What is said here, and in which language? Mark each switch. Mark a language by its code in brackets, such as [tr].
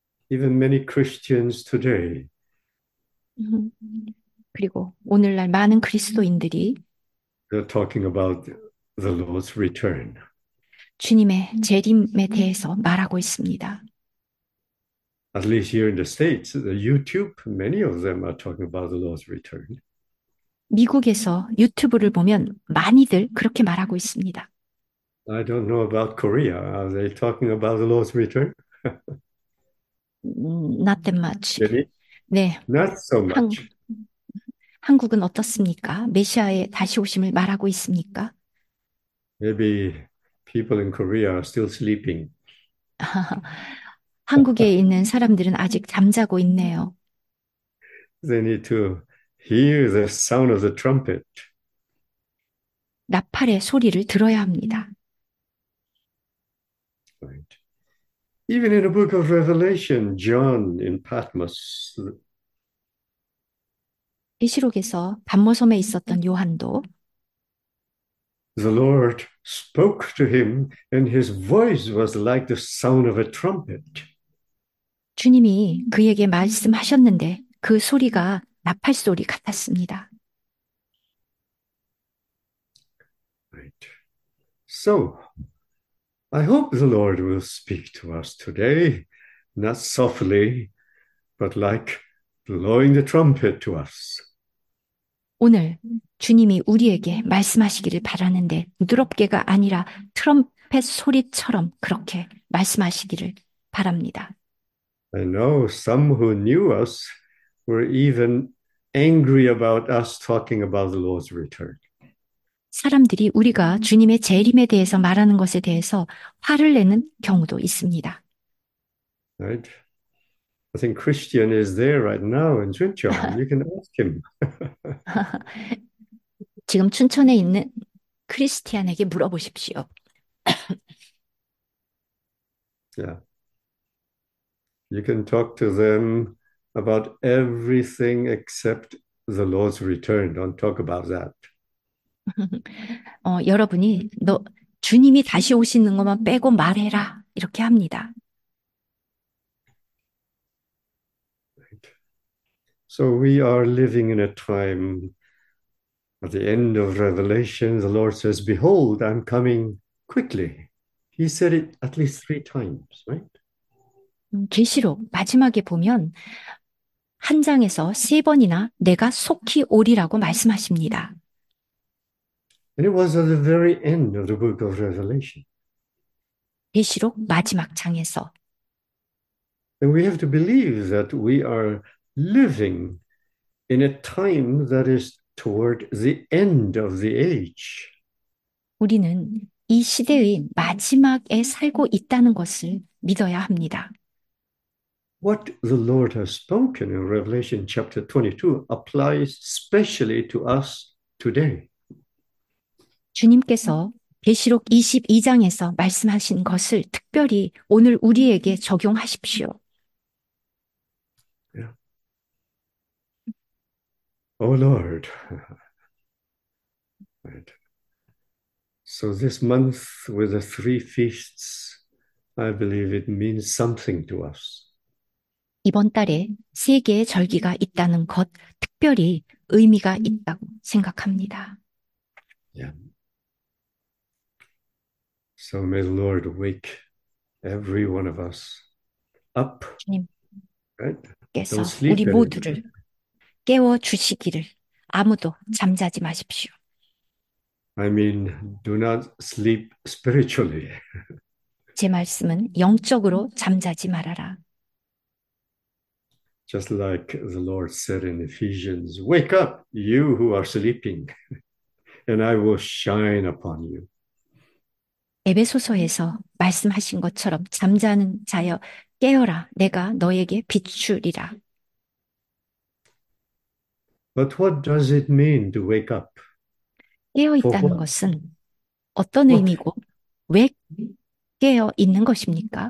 [en] Even many Christians today, [ko] 그리고 오늘날 많은 그리스도인들이 [en] they're talking about the Lord's return. [ko] 주님의 재림에 대해서 말하고 있습니다. [en] At least here in the States, the YouTube, many of them are talking about the Lord's return. [ko] 미국에서 유튜브를 보면 많이들 그렇게 말하고 있습니다. [en] I don't know about Korea. Are they talking about the Lord's return? Not that much. �ybe [ko] 네. [en] not so much. [ko] 한국은 어떻습니까? 메시아의 다시 오심을 말하고 있습니까? [en] Maybe people in Korea are still sleeping. [ko] 한국에 있는 사람들은 아직 잠자고 있네요. [en] They need to hear the sound of the trumpet. [ko] 나팔의 소리를 들어야 합니다. [en] Even in the book of Revelation, John in Patmos. [ko] 계시록에서 반모섬에 있었던 요한도 [en] The Lord spoke to him, and his voice was like the sound of a trumpet. [ko] 주님이 그에게 말씀하셨는데 그 소리가 나팔 소리 같았습니다. [en] So, I hope the Lord will speak to us today, not softly, but like blowing the trumpet to us. [ko] 오늘 주님이 우리에게 말씀하시기를 바라는데 드럽게가 아니라 트럼펫 소리처럼 그렇게 말씀하시기를 바랍니다. [en] I know some who knew us were even angry about us talking about the Lord's return. [ko] 사람들이 우리가 주님의 재림에 대해서 말하는 것에 대해서 화를 내는 경우도 있습니다. [en] Right? I think Christian is there right now in Chuncheon. You can ask him. [ko] 지금 춘천에 있는 크리스티안에게 물어보십시오. [en] Yeah. You can talk to them about everything except the Lord's return. Don't talk about that. [ko] 여러분이 너 주님이 다시 오시는 것만 빼고 말해라 이렇게 합니다. [en] So we are living in a time at the end of Revelation. The Lord says, "Behold, I'm coming quickly." He said it at least three times, right? [ko] 계시록 마지막에 보면 한 장에서 세 번이나 내가 속히 오리라고 말씀하십니다. [en] And it was at the very end of the book of Revelation. [ko] 계시록 마지막 장에서 [en] And we have to believe that we are living in a time that is toward the end of the age. [ko] 우리는 이 시대의 마지막에 살고 있다는 것을 믿어야 합니다. [en] What the Lord has spoken in Revelation chapter 22 applies specially to us today. [ko] 주님께서 계시록 22장에서 말씀하신 것을 특별히 오늘 우리에게 적용하십시오. [en] Oh Lord. Right. So this month with the three feasts, I believe it means something to us. [ko] 이번 달에 세 개의 절기가 있다는 것, 특별히 의미가 있다고 생각합니다. 예. [en] So may the Lord wake every one of us up. Right? Don't [ko] 주님께서 [en] sleep [ko] 우리 [en] anymore. [ko] 모두를 깨워 주시기를 아무도 잠자지 마십시오. [en] I mean, do not sleep spiritually. [ko] 제 말씀은 영적으로 잠자지 말아라. [en] Just like the Lord said in Ephesians, wake up, you who are sleeping, and I will shine upon you. [ko] 에베소서에서 말씀하신 것처럼 잠자는 자여 깨어라, 내가 너에게 비추리라. [en] But what does it mean to wake up? [ko] 깨어 [en] For [ko] 있다는 것은 어떤 의미고 왜 깨어 있는 것입니까?